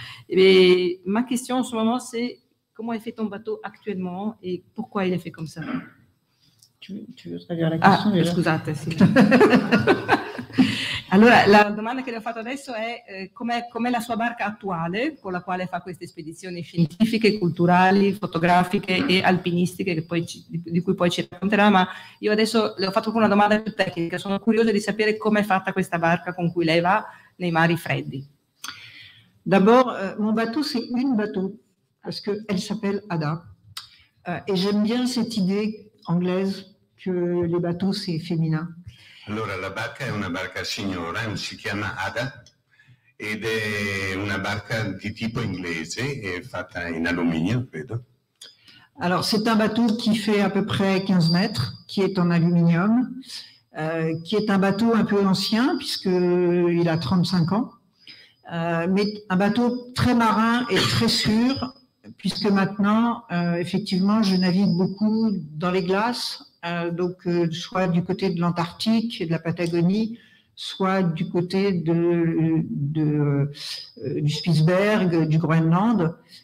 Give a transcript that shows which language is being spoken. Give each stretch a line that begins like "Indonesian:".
French: Et ma question en ce moment, c'est comment est fait ton bateau actuellement et pourquoi il est fait comme ça? Tu veux traduire la question?
Italian: Ah, scusate. Sì. Allora, la domanda che le ho fatto adesso è com'è la sua barca attuale con la quale fa queste spedizioni scientifiche, culturali, fotografiche e alpinistiche che poi di cui poi ci racconterà, ma io adesso le ho fatto una domanda più tecnica, sono curiosa di sapere com'è fatta questa barca con cui lei va nei mari freddi.
French: D'abord, mon bateau, c'est un bateau, parce qu'elle s'appelle Ada. Et j'aime bien cette idée anglaise que les bateaux, c'est féminin.
Italian: Allora, la barca è una barca signora, si chiama Ada, ed è una barca di tipo inglese, è fatta in alluminio, credo.
French: Alors, c'est un bateau qui fait à peu près 15 mètres, qui est en aluminium, qui est un bateau un peu ancien, puisqu'il a 35 ans, mais un bateau très marin et très sûr, puisque maintenant, effectivement, je navigue beaucoup dans les glaces, donc soit du côté de l'Antarctique et de la Patagonie, soit du côté du Spitzberg, du Groenland.